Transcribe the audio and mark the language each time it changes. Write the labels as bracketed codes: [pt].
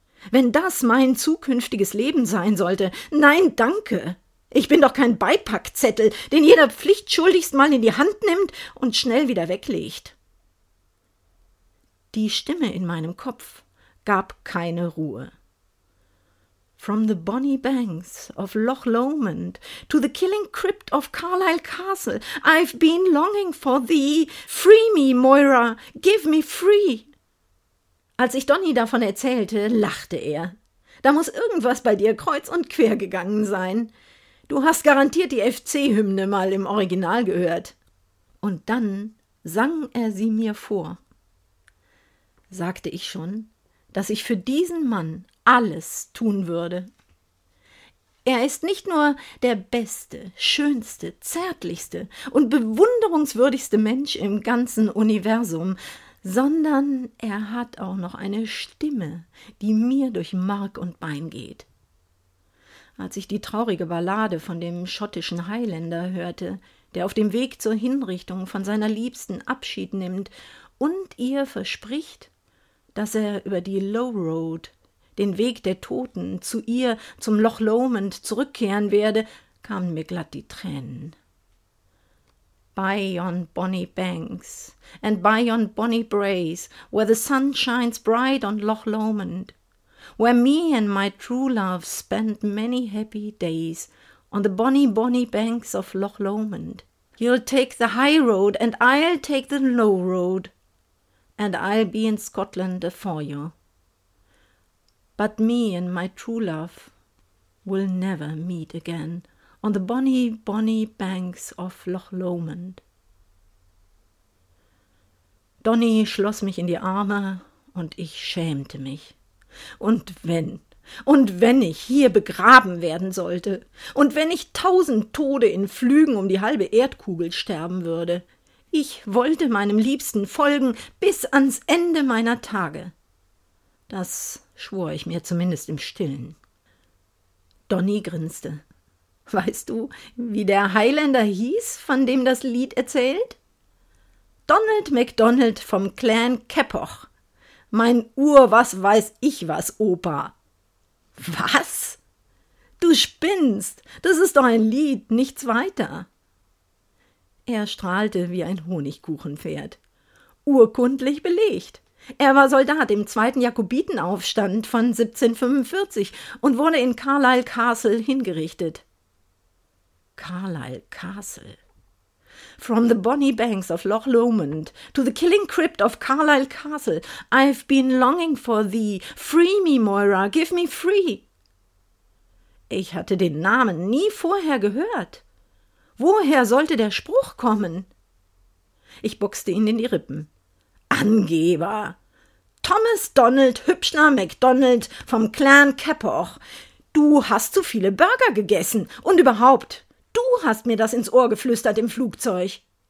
[de] Wenn das mein zukünftiges Leben sein sollte, nein, danke. Ich bin doch kein Beipackzettel, den jeder pflichtschuldigst mal in die Hand nimmt und schnell wieder weglegt. Die Stimme in meinem Kopf gab keine Ruhe. [en] From the bonny banks of Loch Lomond to the killing crypt of Carlisle Castle, I've been longing for thee. Free me, Moira, give me free. [de] Als ich Donny davon erzählte, lachte er. Da muss irgendwas bei dir kreuz und quer gegangen sein. Du hast garantiert die FC-Hymne mal im Original gehört. Und dann sang er sie mir vor. Sagte ich schon, dass ich für diesen Mann alles tun würde. Er ist nicht nur der beste, schönste, zärtlichste und bewunderungswürdigste Mensch im ganzen Universum, sondern er hat auch noch eine Stimme, die mir durch Mark und Bein geht. Als ich die traurige Ballade von dem schottischen Highlander hörte, der auf dem Weg zur Hinrichtung von seiner Liebsten Abschied nimmt und ihr verspricht, dass er über die Low Road, den Weg der Toten, zu ihr, zum Loch Lomond, zurückkehren werde, kamen mir glatt die Tränen. [en] By yon bonny banks, and by yon bonny braes, where the sun shines bright on Loch Lomond, where me and my true love spend many happy days, on the bonny, bonny banks of Loch Lomond, you'll take the high road, and I'll take the low road, and I'll be in Scotland afore you. But me and my true love will never meet again on the bonny, bonny banks of Loch Lomond. [de] Donny schloss mich in die Arme und ich schämte mich. Und wenn ich hier begraben werden sollte, und wenn ich 1000 Tode in Flügen um die halbe Erdkugel sterben würde, ich wollte meinem Liebsten folgen bis ans Ende meiner Tage. Das schwor ich mir zumindest im Stillen. Donny grinste. Weißt du, wie der Highlander hieß, von dem das Lied erzählt? Donald MacDonald vom Clan Keppoch. Mein Ur-was-weiß-ich-was-Opa. Was? Du spinnst! Das ist doch ein Lied, nichts weiter! Er strahlte wie ein Honigkuchenpferd. Urkundlich belegt. Er war Soldat im zweiten Jakobitenaufstand von 1745 und wurde in Carlisle Castle hingerichtet. Carlisle Castle. [en] From the bonny banks of Loch Lomond to the killing crypt of Carlisle Castle, I've been longing for thee. Free me, Moira, give me free. [de] Ich hatte den Namen nie vorher gehört. Woher sollte der Spruch kommen? Ich boxte ihn in die Rippen. Angeber! Thomas Donald Hübschner MacDonald vom Clan Keppoch. Du hast zu viele Burger gegessen. Und überhaupt, du hast mir das ins Ohr geflüstert im Flugzeug.